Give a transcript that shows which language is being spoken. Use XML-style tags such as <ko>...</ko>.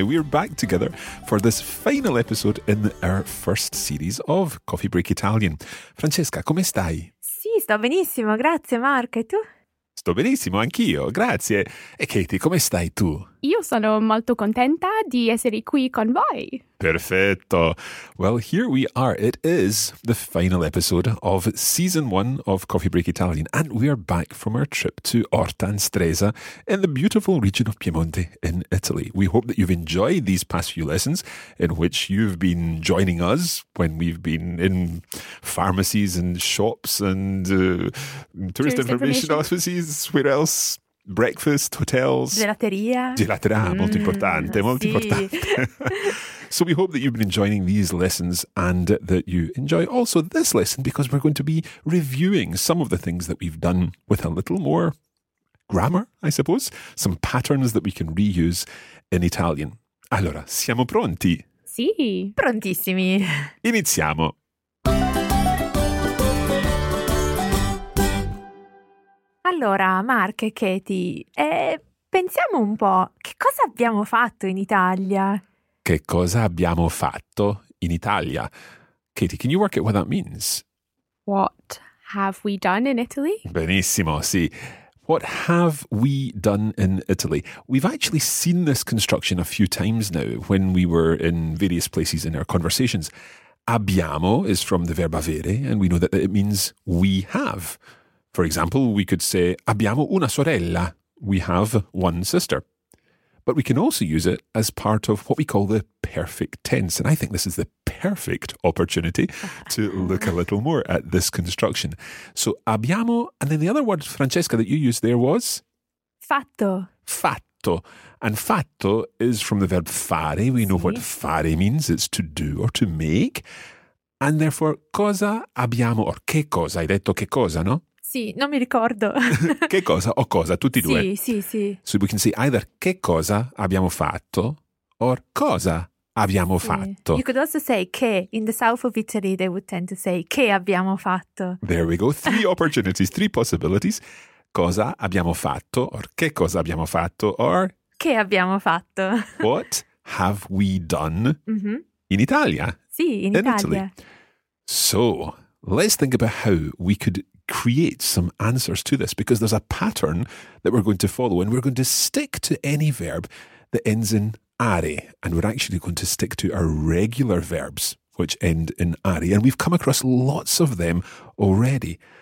<en>We're back together for this final episode in our first series of Coffee Break Italian.</en> <it>Francesca, come stai? Sì, sto benissimo, grazie Mark. E tu? Sto benissimo, anch'io, grazie. E Katie, come stai tu? Io sono molto contenta di essere qui con voi.</it> <en>Perfetto. Well, here we are. It is the final episode of season one of Coffee Break Italian. And we are back from our trip to Orta and Stresa in the beautiful region of Piemonte in Italy. We hope that you've enjoyed these past few lessons in which you've been joining us when we've been in pharmacies and shops and tourist information offices. Where else? Breakfast, hotels.</en> <it>Gelateria. Gelateria, molto importante, molto importante.</it> <en>So we hope that you've been enjoying these lessons and that you enjoy also this lesson because we're going to be reviewing some of the things that we've done with a little more grammar, I suppose. Some patterns that we can reuse in Italian.</en> <it>Allora, siamo pronti? Sì. Prontissimi. Iniziamo. Allora, Mark e Katie, pensiamo un po', che cosa abbiamo fatto in Italia? Che cosa abbiamo fatto in Italia?</it> <en>Katie, can you work out what that means? What have we done in Italy?</en> <it>Benissimo, sì.</it> <en>What have we done in Italy? We've actually seen this construction a few times now when we were in various places in our conversations. Abbiamo is from the verb avere, and we know that it means we have. For example, we could say,</en> <it>abbiamo una sorella.</it> <en>We have one sister. But we can also use it as part of what we call the perfect tense. And I think this is the perfect opportunity to look a little more at this construction. So, abbiamo, and then the other word, Francesca, that you used there was?</en> <it>Fatto.</it> <en>Fatto. And fatto is from the verb fare. We know what fare means. It's to do or to make. And therefore,</en> <it>cosa abbiamo, or che cosa, hai detto che cosa, no? Sì, non mi ricordo. Che cosa o cosa, tutti e due. Sì, sì, sì.</it> <en>So we can say either</en> <it>che cosa abbiamo fatto or cosa abbiamo fatto.</it> <en>You could also say che. In the south of Italy, they would tend to say</en> <it>che abbiamo fatto.</it> <en>There we go. Three opportunities, three possibilities.</en> <it>Cosa abbiamo fatto or che cosa abbiamo fatto or... Che abbiamo fatto.</it> <en>What have we done in Italia?</en> <it>Sì, in Italia.</it> <en>Italy. So, let's think about how we could create some answers to this because there's a pattern that we're going to follow and we're going to stick to any verb that ends in are and we're actually going to stick to our regular verbs which end in are and we've come across lots of them already.</en>